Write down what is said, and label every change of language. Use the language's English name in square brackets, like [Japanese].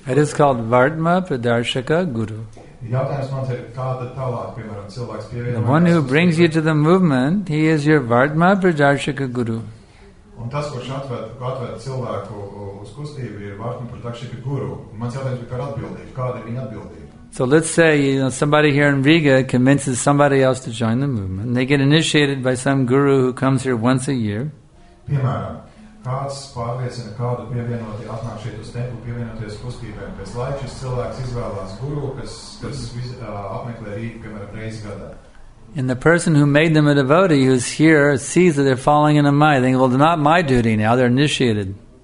[English] It is called Vartma Pradarshaka Guru. The one who brings you to the movement, he is your Vartma Pradarshaka Guru. [Latvian] Un tas, kurš atved cilvēku uz kustību, ir Vārtma Pratakšika guru. Mans jautājums ir par atbildību. Kāda ir viņa atbildība? [English] So let's say somebody here in Riga convinces somebody else to join the movement. They get initiated by some guru who comes here once a year. [Latvian] Piemēram, kāds pārliecina kādu pievienoti, atnāk šeit uz templu, pievienoties kustībēm. Pēc laika šis cilvēks izvēlās guru, kas apmeklē Rīgu, piemēram, reizi gadā. [English] And the person who made them a devotee, who's here, sees that they're falling in a maya. They think, well, they're not my duty now, they're initiated.